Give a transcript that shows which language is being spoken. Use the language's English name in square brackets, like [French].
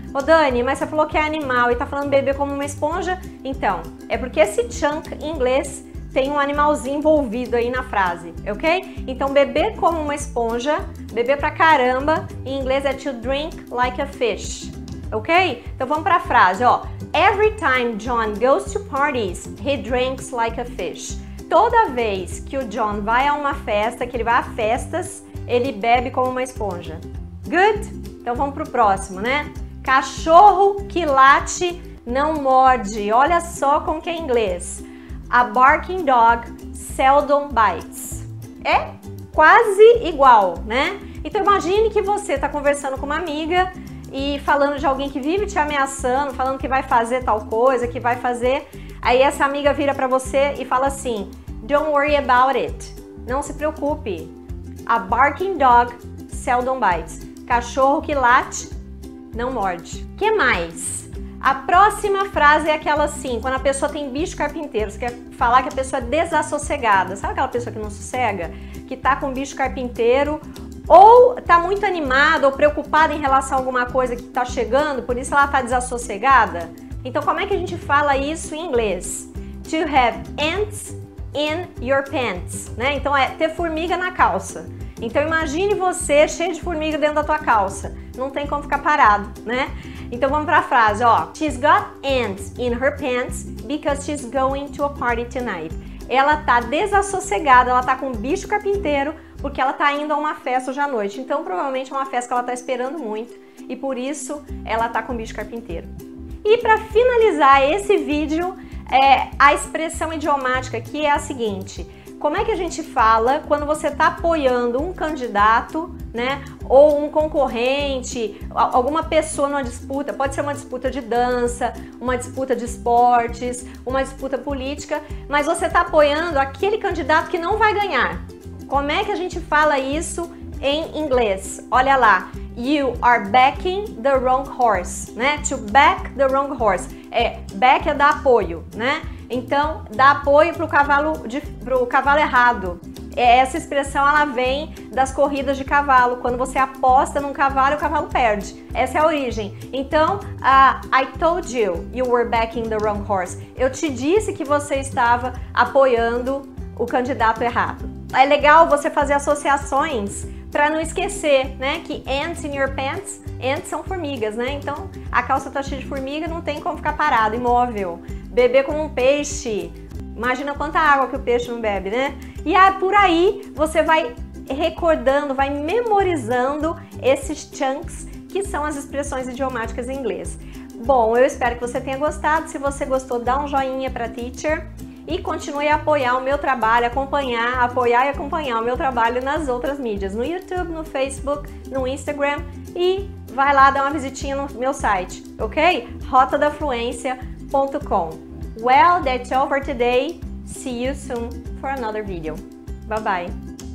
[Portuguese] Ô Dani, mas você falou que é animal e tá falando beber como uma esponja? Então, é porque esse chunk em inglês tem um animalzinho envolvido aí na frase, ok? Então, beber como uma esponja, beber pra caramba, em inglês é [English] to drink like a fish, [Portuguese] ok? Então, vamos pra frase, ó. [English] Every time John goes to parties, he drinks like a fish. [Portuguese] Toda vez que o John vai a uma festa, que ele vai a festas, ele bebe como uma esponja. [English] Good? [Portuguese] Então vamos pro próximo, né? Cachorro que late não morde. Olha só como que é inglês. [English] A barking dog seldom bites. [Portuguese] É quase igual, né? Então imagine que você tá conversando com uma amiga e falando de alguém que vive te ameaçando, falando que vai fazer tal coisa, que vai fazer. Aí essa amiga vira pra você e fala assim: [English] don't worry about it. [Portuguese] Não se preocupe. [English] A barking dog seldom bites. [Portuguese] Cachorro que late não morde. Que mais? A próxima frase é aquela assim, quando a pessoa tem bicho carpinteiro. Você quer falar que a pessoa é desassossegada. Sabe aquela pessoa que não sossega? Que tá com bicho carpinteiro ou tá muito animada ou preocupada em relação a alguma coisa que tá chegando, por isso ela tá desassossegada? Então como é que a gente fala isso em inglês? [English] To have ants in your pants, né? [Portuguese] Então é ter formiga na calça. Então imagine você cheio de formiga dentro da tua calça. Não tem como ficar parado, né? Então vamos pra frase, ó. [English] She's got ants in her pants because she's going to a party tonight. [Portuguese] Ela tá desassossegada, ela tá com bicho carpinteiro porque ela tá indo a uma festa hoje à noite. Então provavelmente é uma festa que ela tá esperando muito e por isso ela tá com bicho carpinteiro. E pra finalizar esse vídeo, é a expressão idiomática que é a seguinte: como é que a gente fala quando você está apoiando um candidato, né, ou um concorrente, alguma pessoa numa disputa? Pode ser uma disputa de dança, uma disputa de esportes, uma disputa política, mas você está apoiando aquele candidato que não vai ganhar. Como é que a gente fala isso em inglês? Olha lá. [English] You are backing the wrong horse, né? To back the wrong horse. [Portuguese] É, back é dar apoio, né? Então, dar apoio pro cavalo errado. É, essa expressão, ela vem das corridas de cavalo. Quando você aposta num cavalo, o cavalo perde. Essa é a origem. Então, [English] I told you you were backing the wrong horse. [Portuguese] Eu te disse que você estava apoiando o candidato errado. É legal você fazer associações para não esquecer, né, que [English] ants in your pants, [Portuguese] ants são formigas, né? Então, a calça tá cheia de formiga, não tem como ficar parado, imóvel. Beber como um peixe. Imagina quanta água que o peixe não bebe, né? E aí, por aí, você vai recordando, vai memorizando esses chunks, que são as expressões idiomáticas em inglês. Bom, eu espero que você tenha gostado. Se você gostou, dá um joinha pra teacher. E continue a apoiar o meu trabalho, apoiar e acompanhar o meu trabalho nas outras mídias, no YouTube, no Facebook, no Instagram, e vai lá dar uma visitinha no meu site, ok? rotadafluencia.com. [English] Well, that's all for today. See you soon for another video. Bye bye.